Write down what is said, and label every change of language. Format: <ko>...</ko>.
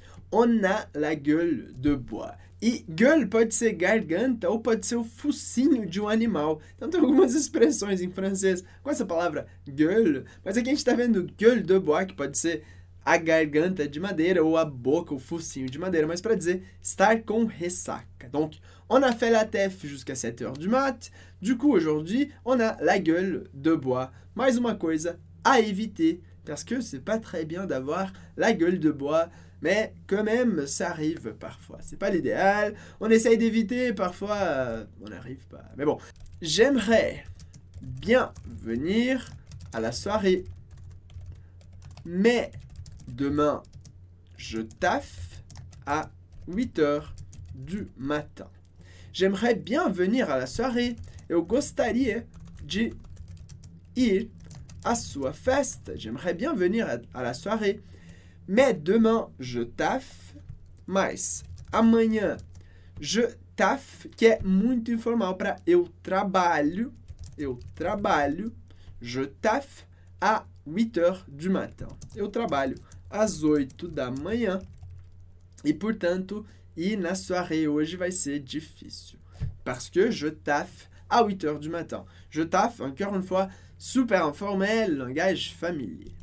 <fr>On a la gueule de bois.</fr> <pt>E gueule pode ser garganta ou pode ser o focinho de um animal. Então tem algumas expressões em francês com essa palavra gueule. Mas aqui a gente tá vendo gueule de bois, que pode ser a garganta de madeira ou a boca, o focinho de madeira. Mas para dizer estar com ressaca.</pt> <fr>Donc, on a fait la teuf jusqu'à 7h du mat. Du coup, aujourd'hui, on a la gueule de bois.</fr> <pt>Mais uma coisa</pt> <fr>à éviter. Parce que c'est pas très bien d'avoir la gueule de bois. Mais quand même, ça arrive parfois. C'est pas l'idéal. On essaye d'éviter, parfois, on n'arrive pas. Mais bon, j'aimerais bien venir à la soirée. Mais demain, je taffe à 8h du matin. J'aimerais bien venir à la soirée.</fr> <pt>Eu gostaria de ir à sua festa.</pt> <fr>J'aimerais bien venir à la soirée. Mais demain, je taffe.</fr> <pt>Mais amanhã,</pt> <fr>je taffe,</fr> <pt>que é muito informal para eu trabalho. Eu trabalho.</pt> <fr>Je taffe à 8h du matin.</fr> <pt>Eu trabalho às 8 da manhã. E, portanto, ir na soirée hoje vai ser difícil.</pt> <fr>Parce que je taffe à 8h du matin. Je taffe, encore une fois, super informel, langage familier.</fr>